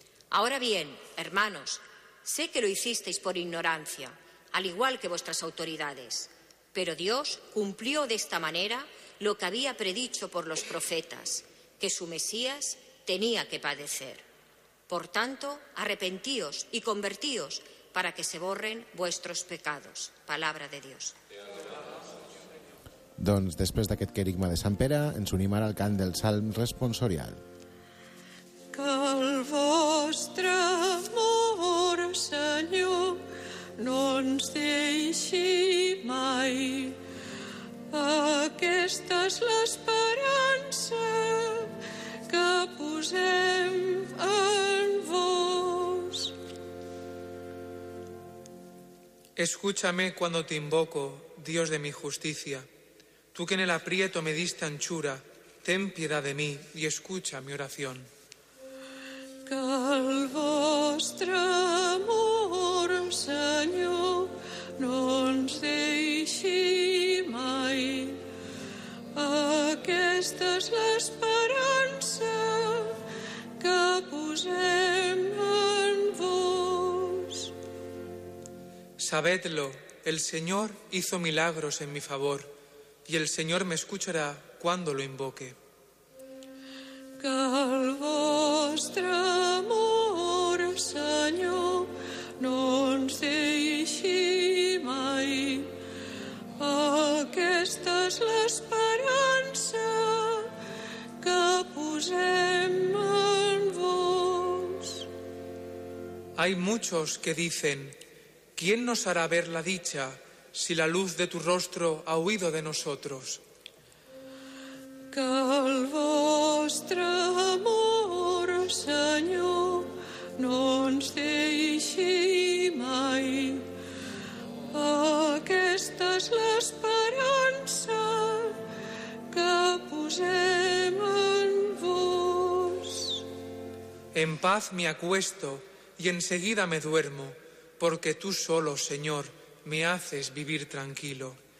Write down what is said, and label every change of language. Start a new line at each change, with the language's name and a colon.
Spanish: Ahora bien, hermanos, sé que lo hicisteis por ignorancia, al igual que vuestras autoridades, pero Dios cumplió de esta manera lo que había predicho por los profetas, que su Mesías tenía que padecer. Por tanto, arrepentíos y convertíos para que se borren vuestros pecados. Palabra de Dios.
Catalan: Doncs després d'aquest querigma de Sant Pere, ens unim ara al cant del Salm responsorial. Que el vostre amor, Senyor, no ens deixi mai. Aquesta és l'esperança que posem en vos.
Spanish: Escúchame cuando te invoco, Dios de mi justicia. Tú que en el aprieto me diste anchura, ten piedad de mí y escucha mi oración.
Catalan: Que el vostre amor, Señor, no ens deixi mai. Aquesta és l'esperança que posem en vos.
Spanish: Sabedlo, el Señor hizo milagros en mi favor y el Señor me escuchará cuando lo invoque.
Catalan: Que el vostre amor, Señor, no ens deixi mai. Aquesta és l'esperança que posem en vos.
Spanish: Hay muchos que dicen: ¿quién nos hará ver la dicha si la luz de tu rostro ha huido de nosotros?
Catalan: Que el vostre amor, Señor, no ens deixi mai. Aquesta és l'esperança que posem en vos.
Spanish: En paz me acuesto y enseguida me duermo, porque tú solo, Señor, me haces vivir tranquilo.